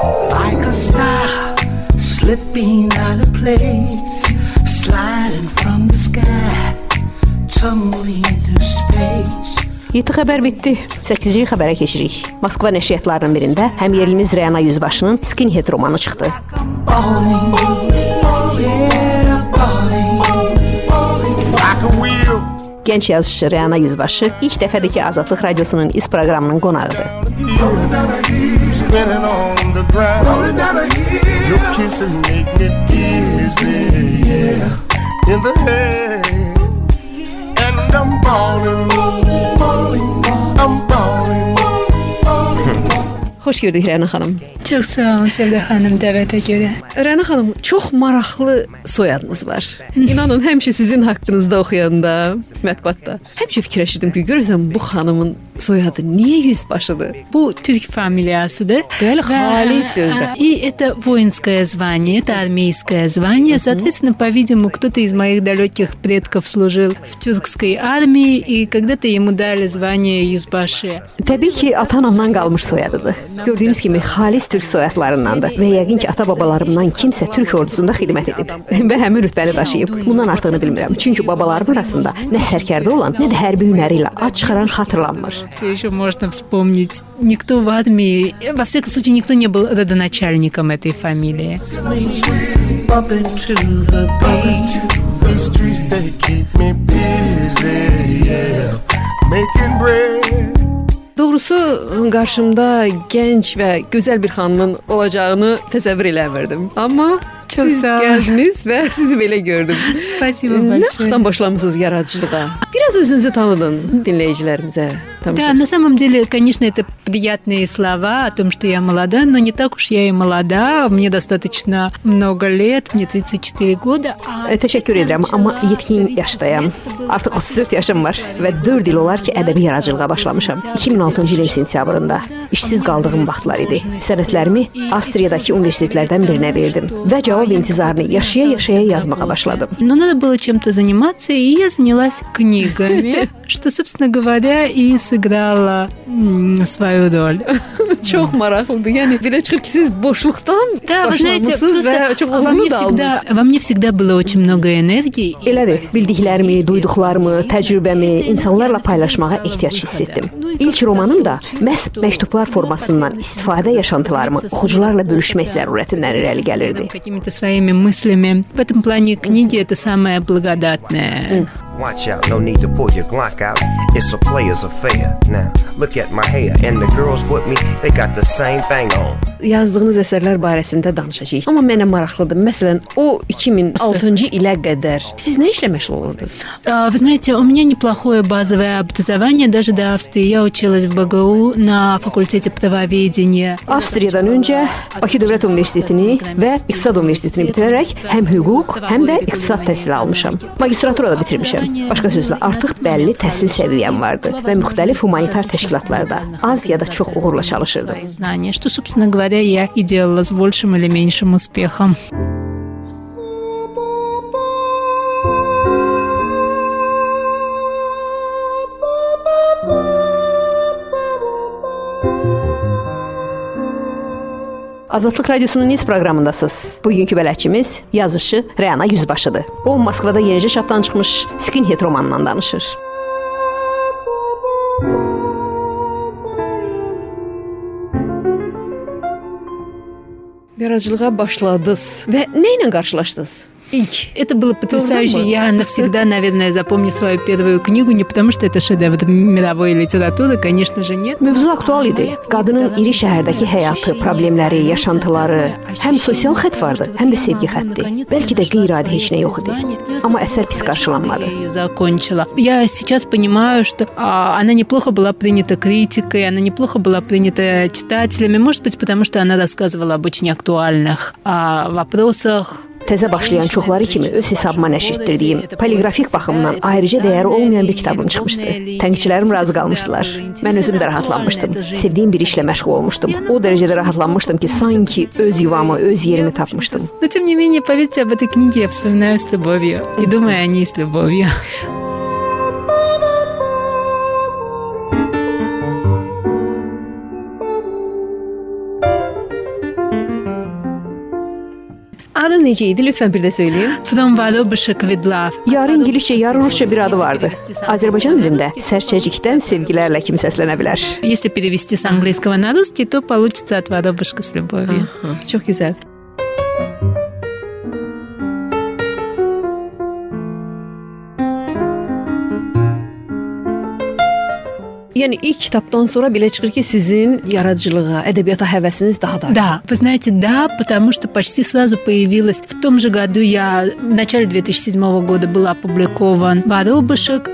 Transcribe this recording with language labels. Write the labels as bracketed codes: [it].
[en] Like a star slipping out of place, sliding from the sky, tumbling through space. [az] Yeti xəbər bitdi. 8-ci xəbərə keçirik. Moskva nəşriyyatlarının birində həm yerlimiz Rəna Yüzbaşının Skinhead romanı çıxdı. Gənc yazışçı Reana Yüzbaşı ilk dəfədir ki, Azadlıq Radiosunun İS proqramının qonağıdır. Xoş gördük, Reana xanım. Çox sağ olun, Sevda xanım, dəvətə görə. Reana xanım, çox maraqlı soyadınız var. İnanın, həmişə sizin haqqınızda oxuyanda, mətbuatda. Həmişə fikirləşirdim ki, görürsən, bu xanımın soyadı niyə yüzbaşıdır? Bu, türk familiyasıdır. Bəli, xali sözdə. [ru] İ, это воинское звание, это армейское звание. Соответственно, по-видимому, кто-то из моих далеких предков служил в тюркской армии, и когда-то ему дали звание юзбашы. [az] Təbii ki, atanamdan qalmış soyadıdır. Gördüyünüz kimi, xalis türk soyadlarındandır. Və yəqin ki, ata-babalarımdan kimsə türk ordusunda xidmət edib və həmin rütbəni daşıyıb. Bundan artığını bilmirəm. Çünki babalarım arasında nə sərkərdə olan, nə də hərbi hünəri ilə ad çıxaran xatırlanmır. [ru] Все еще можно вспомнить. Никто в армии, во всяком случае, никто не был родоначальником этой фамилии. [az] Doğrusu, qarşımda gənc və gözəl bir xanımın olacağını təsəvvür eləmirdim. Amma çox siz gəldiniz və sizi belə gördüm. [ru] Спасибо большое. [az] Nə vaxtdan başlamışsınız yaradıcılığa? Biraz özünüzü tanıdın dinləyicilərimizə. [ru] Да, на самом деле, конечно, это приятные слова о том, что я молода, но не так уж я и молода. Мне достаточно много лет, мне 34 года. [az] Təşəkkür edirəm, amma 70 yaşdayam. Artıq 34 yaşım var və 4 il olar ki, ədəbi yaradıcılığa başlamışam. 2006-cı ilin sentyabrında işsiz qaldığım vaxtlar idi. Sənədlərimi Avstriyadakı universitetlərdən birinə verdim və cavab intizarını yaşaya-yaşaya yazmağa başladım. [ru] Но надо было чем-то заниматься, и я занялась книгами. Что, собственно говоря, и сыграла свою роль. [az] Çox maraqlıdır. Yəni, belə çıxır ki, siz boşluqdan başlamışsınız və çox uzanını da aldınız. [ru] Во мне всегда было очень много энергии. [az] Elədir. Bildiklərimi, duyduqlarımı, təcrübəmi insanlarla paylaşmağa ehtiyac hissettim. İlk romanım da məhz məktublar formasından istifadə yaşantılarımı oxucularla bölüşmək zərurətindən irəli gəlirdi. [ru] Какими-то своими мыслями. В этом плане книги – это самое благодатное. [en] Watch out, no need to pull your Glock out. It's a player's affair. Now, look at my hair and the girls with me, they got the same thing on. [az] Yazdığınız əsərlər barəsində danışacağıq. Amma mənə maraqlıdır. Məsələn, o 2006-cı ilə qədər siz nə işlə məşğul olurdunuz? [ru] Вы знаете, у меня неплохое базовое образование, даже до Австрии. Я училась в БГУ на факультете правоведения. [az] Австриядан öncə Bakı Dövlət Universitetini və İqtisad Universitetini bitirərək həm hüquq, həm də iqtisad təhsili almışam. Magistratura da bitirmişəm. Başqa sözlə, artıq bəlli təhsil səviyyəm vardı və müxtəlif humanitar təşkilatlarda az ya da çox uğurla çalışırdı. [ru] Что, собственно говоря, я и делала с большим или меньшим успехом. [az] Azadlıq Radiosunun İS proqramındasınız. Bugünkü bələdçimiz yazışı Reana Yüzbaşıdır. O, Moskvada yenicə çapdan çıxmış Skinhead romanından danışır. Yaradıcılığa başladınız və nə ilə qarşılaşdınız? İlk. [ru] Это было потрясающе. Я навсегда, наверное, запомню свою первую книгу, не потому что это шедевр мировой литературы, конечно же, нет. [az] Mövzu aktual idi. Qadının iri şəhərdəki həyatı, problemləri, yaşantıları, həm sosial xətt vardı, həm də sevgi xətti. Bəlkə də qeyri-adi heç nə yox idi. Amma əsər pis qarşılanmadı. [ru] Я сейчас понимаю, что она неплохо была принята критикой, она неплохо была принята читателями, может быть, потому что она рассказывала об очень актуальных вопросах. [az] Təzə başlayan çoxları kimi öz hesabıma nəşirtdirdiyim, poliqrafik baxımdan ayrıca dəyəri olmayan bir kitabım çıxmışdı. Tənqidçilərim razı qalmışdılar. Mən özüm də rahatlanmışdım. Sevdiyim bir işlə məşğul olmuşdum. O dərəcədə rahatlanmışdım ki, sanki öz yuvamı, öz yerimi tapmışdım. [ru] Но тем не менее, поверьте, об этой книге я вспоминаю с любовью и думаю о ней с любовью. [az] Adı necə idi? Lütfən bir də söyləyin. [en] From Varobushek Vidlav. [az] Yarı ingiliscə, yarı rusca bir adı vardı. Azərbaycan dilində sərçəcikdən sevgilərlə kim səslənə bilər? [ru] Если перевести с английского на русский, то получится от Varobushka с любовью. [az] Çox gözəl. Yəni ilk kitabdan sonra belə çıxır ki, sizin yaradıcılığa, ədəbiyyata həvəsiniz daha da. [ru] Да, вы знаете, да, потому что почти сразу появилось. В том же году я в начале 2007 года был опубликован Воробышек.